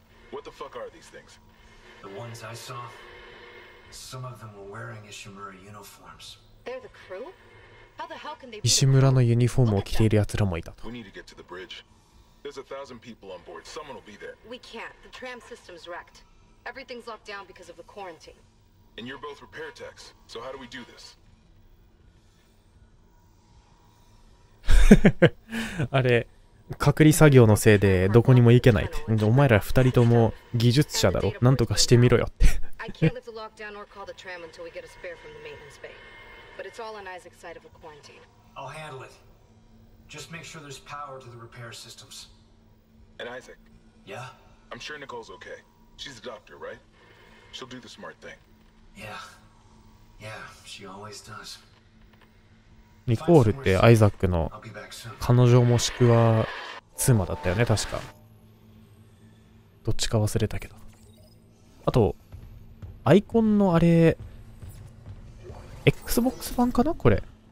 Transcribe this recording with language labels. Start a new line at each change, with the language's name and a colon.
English: What the fuck are these things? The ones I saw. Some of them were wearing Ishimura uniforms. They're the crew?
Japanese: 石村のユニフォームを着ている奴らもいたと。
English: We need to get to the bridge. There's a thousand people on board. Someone will be there. We can't. The tram system's wrecked. Everything's locked down because of the quarantine. And you're both repair techs. So how do we do this?
Japanese: あれ、隔離作業のせいでどこにも行けないって。お前ら二人とも技術者だろ。なんとかしてみろよって。
English: I can't lift the lockdown or call the tram until we get a spare from the maintenance bay. But it's all on Isaac's side of a quarantine. I'll handle it. Just make sure there's power to the repair systems. And Isaac? Yeah? I'm sure Nicole's okay. She's a doctor, right? She'll do the smart thing. Yeah. Yeah, she always does.
Japanese: ニコールってアイザックの彼女もしくは妻だったよね、確か。どっちか忘れたけど。あと、アイコンのあれ、Xbox 版かなこれ。